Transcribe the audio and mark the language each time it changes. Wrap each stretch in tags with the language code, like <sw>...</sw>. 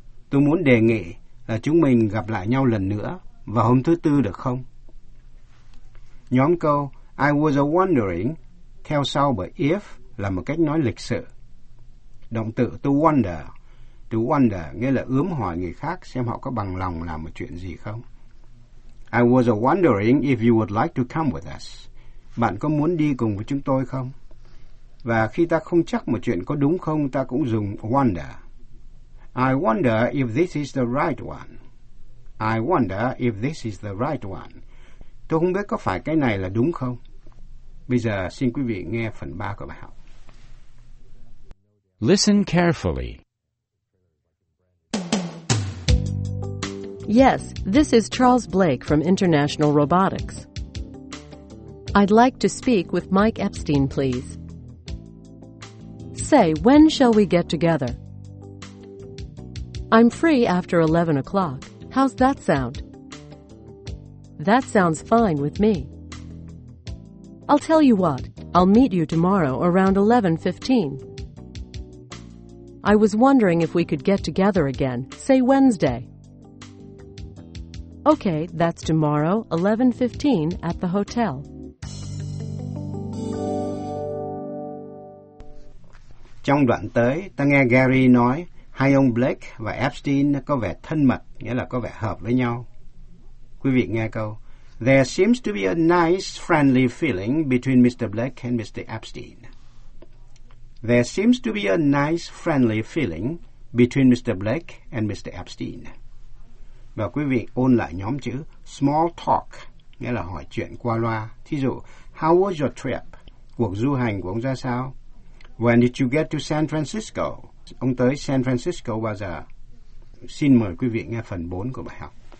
<vi>Tôi muốn đề nghị là chúng mình gặp lại nhau lần nữa vào hôm thứ tư được không? Nhóm câu</vi> <en>I was wondering</en> <vi>theo sau bởi if là một cách nói lịch sự. Động từ to wonder. To wonder nghĩa là ướm hỏi người khác xem họ có bằng lòng làm một chuyện gì không.</vi> <en>I was wondering if you would like to come with us.</en> <vi>Bạn có muốn đi cùng với chúng tôi không? Và khi ta không chắc một chuyện có đúng không, ta cũng dùng wonder.</vi> <en>I wonder if this is the right one. I wonder if this is the right one.</en> <vi>Tôi không biết có phải cái này là đúng không? Bây giờ xin quý vị nghe phần 3 của bài học.</vi> <en>Listen carefully. Yes, this is Charles Blake from International Robotics. I'd like to speak with Mike Epstein, please. Say, when shall we get together? I'm free after 11 o'clock. How's that sound? That sounds fine with me. I'll tell you what, I'll meet you tomorrow around 11:15. I was wondering if we could get together again, say Wednesday. Okay, that's tomorrow, 11:15 at the hotel.</en> <vi>Trong đoạn tới, ta nghe Gary nói hai ông Blake và Epstein có vẻ thân mật, nghĩa là có vẻ hợp với nhau. Quý vị nghe câu.</vi> <en>There seems to be a nice, friendly feeling between Mr. Blake and Mr. Epstein. There seems to be a nice, friendly feeling between Mr. Blake and Mr. Epstein.</en> <vi>Và quý vị ôn lại nhóm chữ small talk, nghĩa là hỏi chuyện qua loa. Thí dụ,</vi> <en>how was your trip?</en> <vi>Cuộc du hành của ông ra sao?</vi> <en>When did you get to San Francisco?</en> <vi>Ông tới San Francisco bao giờ? Xin mời quý vị nghe phần 4 của bài học.</vi>